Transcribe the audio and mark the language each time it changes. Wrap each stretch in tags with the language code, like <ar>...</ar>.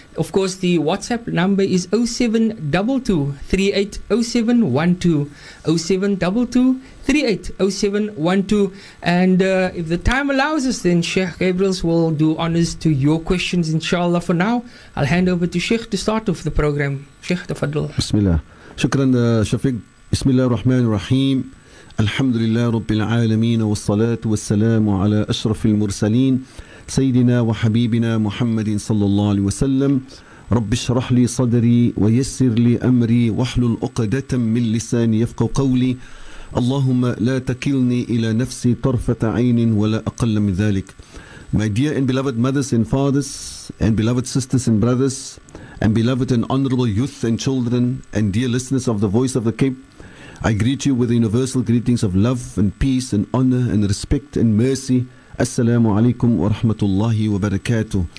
<en>Of course, the WhatsApp number is 0722 380712 0722 380712. And if the time allows us, then Sheikh Gabriels will do honors to your questions, inshallah. For now, I'll hand over to Sheikh to start off the program.</en> <ar>Sheikh, tafadl. Bismillah. Shukran, Shafiq. Bismillah ar-Rahman ar-Rahim. الحمد لله رب العالمين والصلاة والسلام على أشرف المرسلين سيدنا وحبيبنا محمد صلى الله عليه وسلم. رب اشرح لي صدري ويسر لي أمري واحلل عقدة من لساني يفقه قولي. اللهم لا تكلني إلى نفسي طرفة عين ولا أقل من ذلك.</ar> <en>My dear and beloved mothers and fathers, and beloved sisters and brothers, and beloved and honorable youth and children, and dear listeners of the Voice of the Cape, I greet you with the universal greetings of love and peace and honor and respect and mercy.</en> <ar>Assalamu alaikum wa rahmatullahi wa barakatuh.</ar>